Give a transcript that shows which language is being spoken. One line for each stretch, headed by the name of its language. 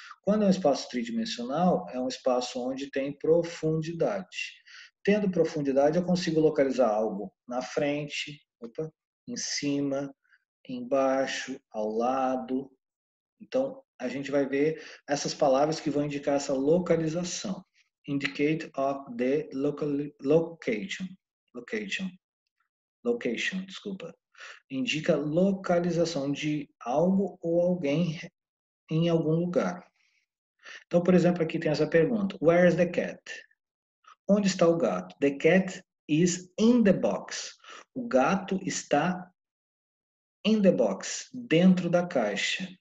Portuguese: Quando é um espaço tridimensional, é um espaço onde tem profundidade. Tendo profundidade, eu consigo localizar algo na frente, opa, em cima, embaixo, ao lado. Então, a gente vai ver essas palavras que vão indicar essa localização.
English: Indicate of the location.
Portuguese: Location, desculpa. Indica localização de algo ou alguém em algum lugar. Então, por exemplo, aqui tem essa pergunta:
English: Where is the cat?
Portuguese: Onde está o gato?
English: The cat is in the box.
Portuguese: O gato está
English: in the box,
Portuguese: dentro da caixa.